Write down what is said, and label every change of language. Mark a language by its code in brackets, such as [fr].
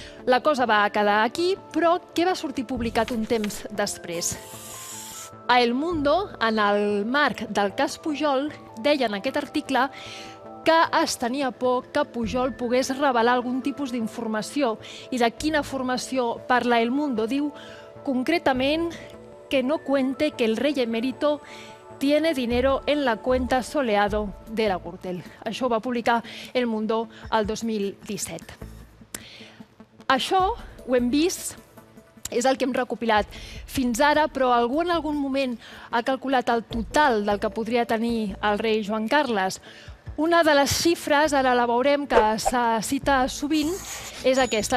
[ca] La cosa va quedar aquí, però què va sortir publicat un temps després? A El Mundo, en el marc del cas Pujol, deia en aquest article que es tenia por que Pujol pogués revelar algun tipus d'informació. I de quina formació parla El Mundo? Diu, concretament, [es] que no cuente que el rey emérito tiene dinero en la cuenta Soleado de la Gürtel. [ca] Això ho va publicar El Mundo el 2017. Això ho hem vist, és el que hem recopilat fins ara, però algú en algun moment ha calculat el total del que podria tenir el rei Joan Carles? Una de les xifres, ara la veurem, que se cita sovint, és aquesta.